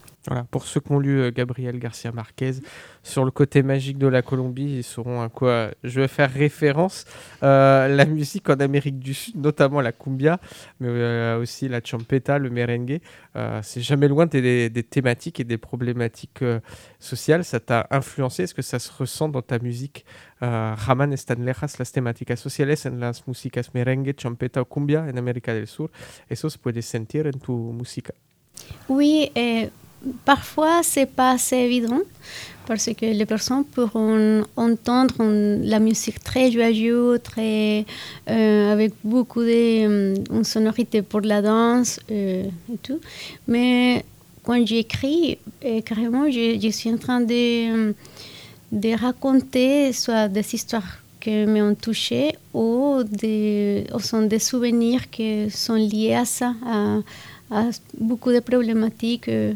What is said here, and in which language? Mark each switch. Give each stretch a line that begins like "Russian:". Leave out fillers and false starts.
French: Voilà, pour ceux qui ont lu Gabriel Garcia Marquez sur le côté magique de la Colombie, ils sauront à quoi je vais faire référence. La musique en Amérique du Sud, notamment la cumbia, mais aussi la champeta, le merengue, c'est jamais loin des thématiques et des problématiques sociales. Ça t'a influencé? Est-ce que ça se ressent dans ta musique?
Spanish: Raman están lejas las temáticas sociales en las músicas merengue, champeta o cumbia en América del Sur. Eso se puede sentir en tu música.
French: Oui, parfois, ce n'est pas assez évident parce que les personnes pourront entendre la musique très joyeuse, très, avec beaucoup de sonorité pour la danse et tout. Mais quand j'écris, carrément, je suis en train de raconter soit des histoires qui m'ont touchée ou sont des souvenirs qui sont liés à ça, à beaucoup de problématiques.